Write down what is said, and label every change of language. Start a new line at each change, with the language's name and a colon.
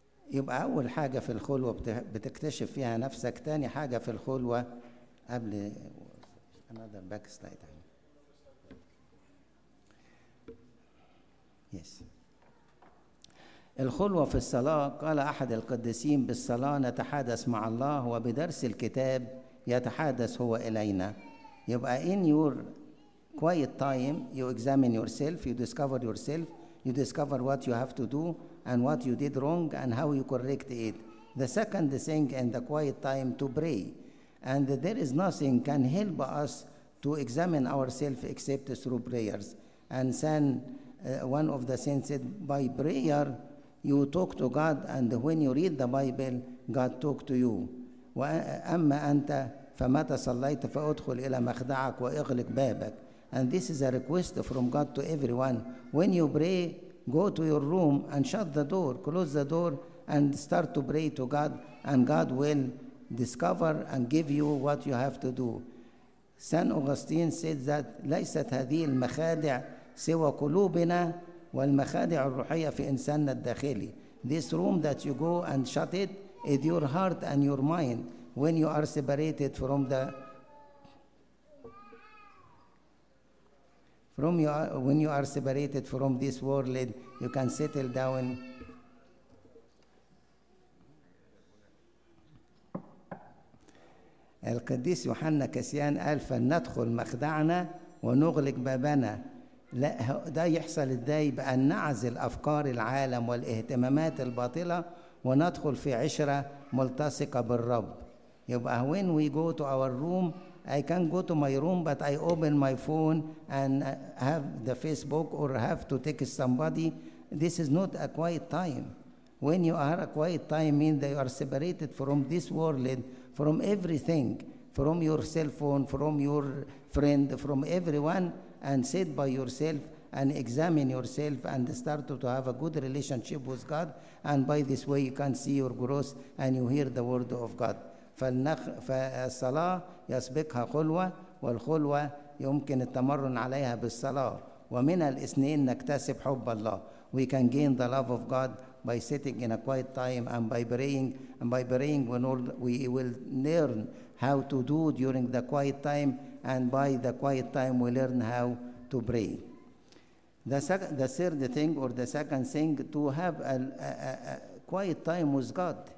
Arabic: يبقى أول حاجة في الخلوة بتكتشف فيها نفسك، تاني حاجة في الخلوة قبل
English: another backslide. Yes.
Arabic: الخلوة في الصلاة، قال أحد القديسين: بالصلاة نتحدث مع الله، وبدرس الكتاب يتحدث هو إلينا.
English: يبقى in your quiet time you examine yourself, you discover yourself, you discover what you have to do and what you did wrong and how you correct it. The second thing in the quiet time to pray. And there is nothing can help us to examine ourselves except through prayers. And San, one of the saints said, by prayer you talk to God, and when you read the Bible, God talk to you.
Arabic: وأما أنت فمتى صليت فأدخل إلى مخدعك وإغلق بابك.
English: And this is a request from God to everyone. When you pray, go to your room and shut the door, close the door, and start to pray to God, and God will discover and give you what you have to do. San Augustine said that
Arabic: ليست هذه المخادع سوى قلوبنا والمخادع الروحية في إنساننا الداخلي.
English: This room that you go and shut it is your heart and your mind when you are separated from the from you are, when you are separated from this world, you can settle down.
Arabic: القديس يوحنا كاسيان قال: فلندخل مخدعنا ونغلق بابنا. لا، ده يحصل ازاي؟ بأن نعزل أفكار العالم والاهتمامات الباطلة وندخل في عشرة ملتصقة بالرب.
English: يبقى when we go to our room, I can go to my room, but I open my phone and have the Facebook or have to text somebody. This is not a quiet time. When you are a quiet time, means that you are separated from this world, from everything, from your cell phone, from your friend, from everyone, and sit by yourself and examine yourself and start to have a good relationship with God. And by this way, you can see your growth and you hear the word of God.
Arabic: فالصلاة يسبقها خلوة، والخلوة يمكن التمرن عليها بالصلاة، ومن الاثنين نكتسب حب الله.
English: We can gain the love of God by sitting in a quiet time and by praying. And by praying, we will learn how to do during the quiet time, and by the quiet time we learn how to pray. The second thing to have a quiet time with God.